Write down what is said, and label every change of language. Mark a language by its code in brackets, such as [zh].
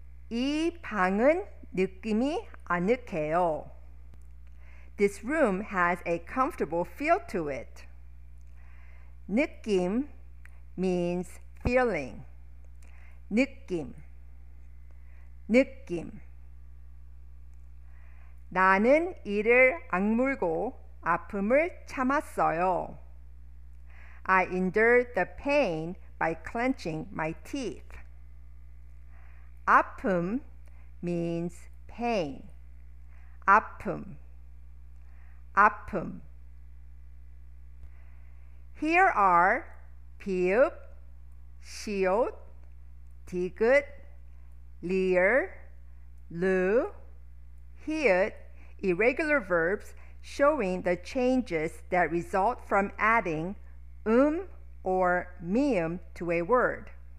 [ko] 이 방은 느낌이 아늑해요. [en] This room has a comfortable feel to it. 느낌 means feeling. 느낌, 느낌. [ko] 나는 이를 악물고 아픔을 참았어요. [en] I endured the pain by clenching my teeth. 아픔 means pain. 아픔, 아픔. Here are 비읍, 시옷, 디귿, 리을, 르, 히읗, irregular verbs showing the changes that result from adding or miyum to a word.